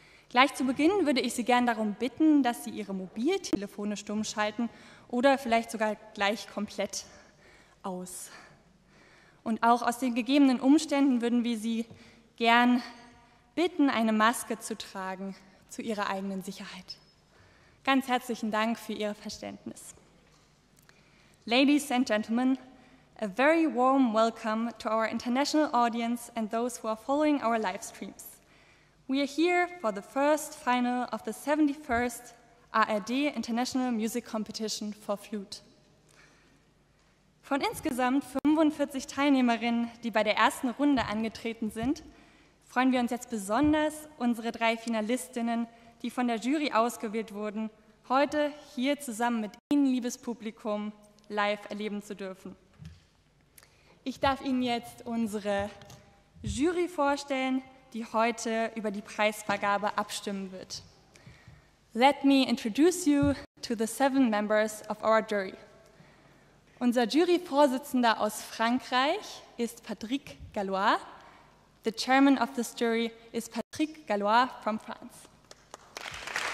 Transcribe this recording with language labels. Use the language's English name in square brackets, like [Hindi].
[German] Gleich zu Beginn würde ich Sie gern darum bitten, dass Sie Ihre Mobiltelefone stumm schalten oder vielleicht sogar gleich komplett aus. Und auch aus den gegebenen Umständen würden wir Sie gern bitten, eine Maske zu tragen zu Ihrer eigenen Sicherheit. Ganz herzlichen Dank für Ihr Verständnis. [English] Ladies and Gentlemen, a very warm welcome to our international audience and those who are following our live streams. We are here for the first final of the 71st ARD International Music Competition for Flute. [German] Von insgesamt 45 Teilnehmerinnen, die bei der ersten Runde angetreten sind, freuen wir uns jetzt besonders, unsere drei Finalistinnen, die von der Jury ausgewählt wurden, heute hier zusammen mit Ihnen, liebes Publikum, live erleben zu dürfen. Ich darf Ihnen jetzt unsere Jury vorstellen, die heute über die Preisvergabe abstimmen wird. [English] Let me introduce you to the seven members of our jury. [German] Unser Juryvorsitzender aus Frankreich ist Patrick Gallois. [English] The chairman of this jury is Patrick Gallois from France.